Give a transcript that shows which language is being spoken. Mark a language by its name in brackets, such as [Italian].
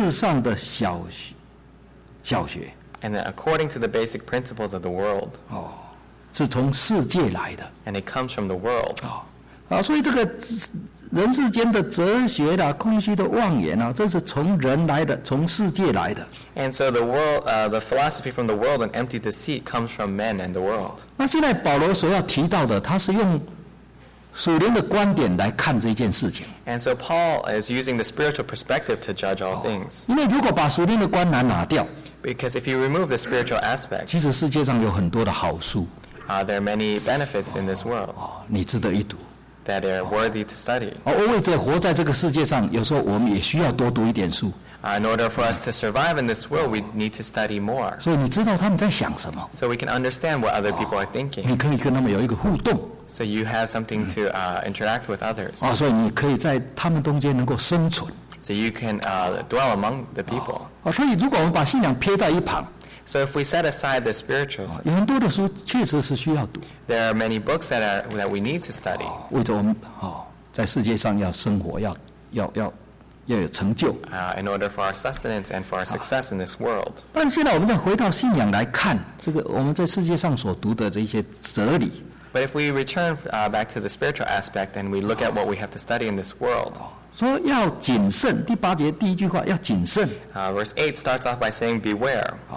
[Chinese] 那下面说，还有照着世上的小学。 [English] And then according to the basic principles of the world. [Chinese] 是从世界来的。 [English] And it comes from the world. [Chinese] 所以这个人世间的哲学啦，空虚的妄言啊，这是从人来的，从世界来的。 [English] And so the world, the philosophy from the world and empty deceit comes from men and the world. [Chinese] 那现在保罗所要提到的，他是用属灵的观点来看这件事情。 [English] And so Paul is using the spiritual perspective to judge all things. [Chinese] 因为如果把属灵的观拿掉， [English] because if you remove the spiritual aspect, [Chinese] 其实世界上有很多的好书。 [English] There are many benefits in this world. [Chinese] 你值得一读。 [English] That are worthy to study. [Chinese] 为着活在这个世界上，有时候我们也需要多读一点书。 [English] In order for us to survive in this world, we need to study more. [Chinese] 所以你知道他们在想什么。 [English] So we can understand what other people are thinking. [Chinese] 你可以跟他们有一个互动。 [English] So you have something to interact with others. [Chinese] 所以你可以在他们中间能够生存。 [English] So you can dwell among the people. [Chinese] 所以如果我们把信仰撇在一旁。 [English] So if we set aside the spirituals, [Chinese] 有很多的书确实是需要读。 [English] There are many books that we need to study. [Chinese] 为着我们在世界上要生活，要有成就。 [English] In order for our sustenance and for our success in this world. [Chinese] 但现在我们再回到信仰来看，这个我们在世界上所读的这些哲理。 [English] But if we return back to the spiritual aspect and we look at what we have to study in this world. [Chinese] 说要谨慎，第八节第一句话要谨慎。 [English] Verse 8 starts off by saying beware.